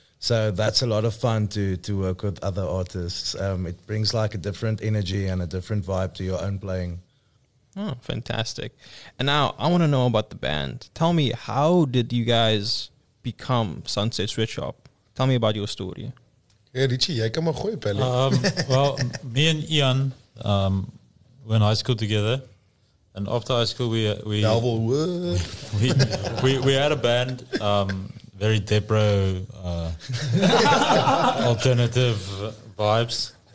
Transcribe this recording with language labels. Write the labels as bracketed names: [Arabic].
[English] So that's a lot of fun to work with other artists. It brings like a different energy and a different vibe to your own playing. Oh, fantastic. And now I want to know about the band. Tell me, how did you guys become Sunset Sweatshop? Tell me about your story. [Afrikaans] Hey, Richie, jy kan maar gooi, Pelle. [English] Well, me and Ian were in high school together. And after high school, we had a band, very Depro alternative vibes.